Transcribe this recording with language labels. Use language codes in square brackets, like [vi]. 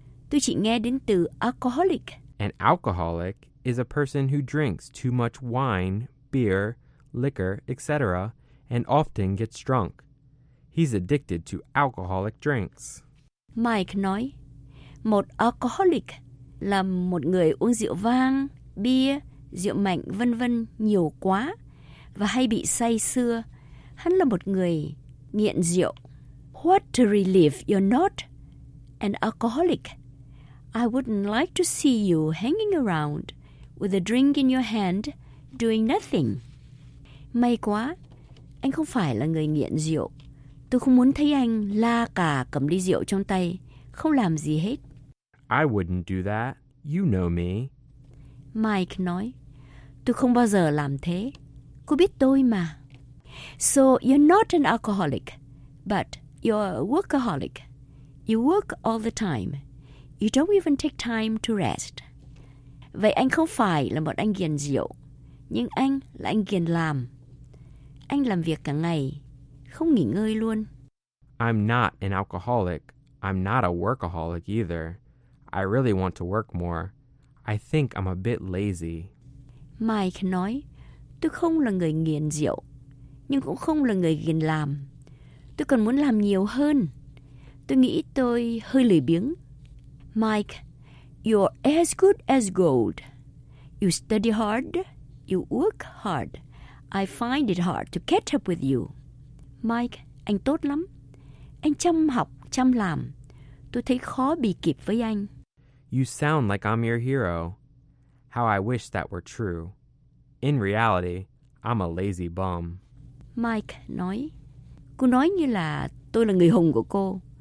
[vi] Tôi chỉ nghe đến từ alcoholic. [en] An alcoholic is a person who drinks too much wine, beer, liquor, etc., and often gets drunk. He's addicted to alcoholic drinks. [vi] Mike nói, một alcoholic là một người uống rượu vang, bia, rượu mạnh vân vân nhiều quá và hay bị say sưa. Hắn là một người nghiện rượu. [en] What to relieve you're not an alcoholic. I wouldn't like to see you hanging around with a drink in your hand doing nothing. [vi] May quá, anh không phải là người nghiện rượu. Tôi không muốn thấy anh la cà cầm ly rượu trong tay, không làm gì hết. [en] I wouldn't do that. You know me. [vi] Mike nói, tôi không bao giờ làm thế. Cô biết tôi mà. [en] So you're not an alcoholic, but you're a workaholic. You work all the time. You don't even take time to rest. [vi] Vậy anh không phải là một anh nghiện rượu, nhưng anh là anh nghiện làm. Anh làm việc cả ngày, không nghỉ ngơi luôn. [en] I'm not an alcoholic. I'm not a workaholic either. I really want to work more. I think I'm a bit lazy. [vi] Mike nói, tôi không là người nghiện rượu, nhưng cũng không là người nghiện làm. Tôi còn muốn làm nhiều hơn. Tôi nghĩ tôi hơi lười biếng. [en] Mike, you're as good as gold. You study hard. You work hard. I find it hard to catch up with you. [vi] Mike, anh tốt lắm. Anh chăm học, chăm làm. Tôi thấy khó bị kịp với anh. [en] You sound like I'm your hero. How I wish that were true. In reality, I'm a lazy bum. [vi] Mike nói, cô nói như là tôi là người hùng của cô.